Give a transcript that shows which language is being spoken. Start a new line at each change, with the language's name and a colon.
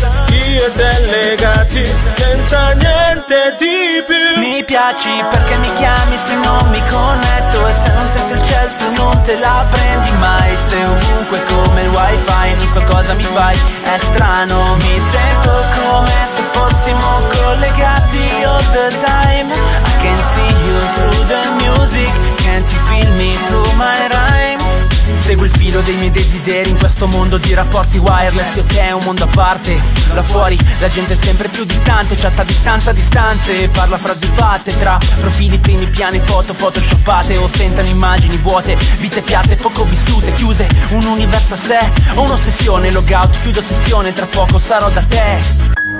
Italian: Io e te legati, senza niente di più. Mi piaci perché mi chiami se non mi connetto. E se non sento il ciel tu non te la prendi mai. Sei ovunque come il wifi, non so cosa mi fai, è strano. Mi sento come se fossimo collegati
English: all the time. I can see you through the music, can't you feel me through my rhymes?
Italian: Seguo il filo dei miei desideri in questo mondo di rapporti wireless. Io te è un mondo a parte, là fuori la gente è sempre più distante. Chatta a distanza a distanze, parla frasi fatte tra profili primi piani, foto photoshoppate. Ostentano immagini vuote, vite piatte, poco vissute, chiuse un universo a sé. Ho un'ossessione, logout, chiudo sessione, tra poco sarò da te.